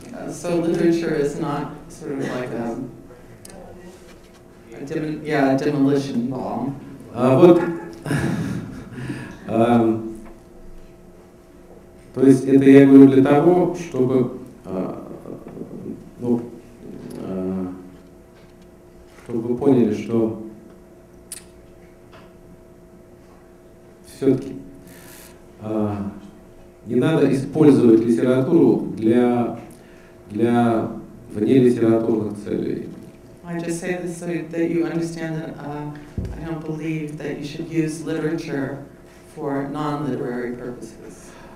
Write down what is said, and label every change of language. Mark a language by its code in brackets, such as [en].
[en] So literature is not sort of like a demolition bomb. [ru] То есть это я говорю для того, чтобы, ну, чтобы вы поняли, что все-таки не надо использовать литературу для внелитературных целей. [en] I just say this so that you understand that I don't believe that you should use literature for non-literary purposes.